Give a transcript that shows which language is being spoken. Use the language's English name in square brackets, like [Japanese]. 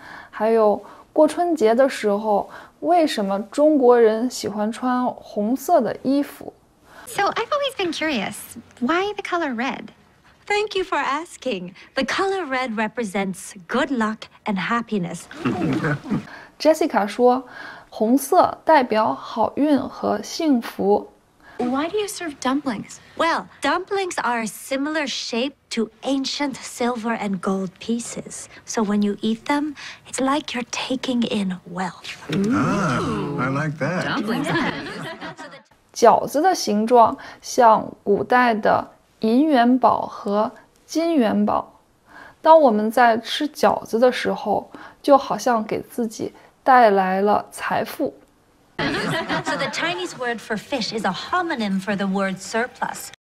[Chinese] 还有过春节的时候，为什么中国人喜欢穿红色的衣服？ [English] So I've always been curious, why the color red? Thank you for asking. The color red represents good luck and happiness. [Chinese] Jessica 说，红色代表好运和幸福。 [English] Why do you serve dumplings? Well, dumplings are a similar shape to ancient silver and gold pieces. So when you eat them, it's like you're taking in wealth. Ooh, I like that. Dumplings. [Chinese] 饺子的形状像古代的银元宝和金元宝。当我们在吃饺子的时候，就好像给自己带来了财富。 [English] So the Chinese word for fish is a homonym for the word surplus.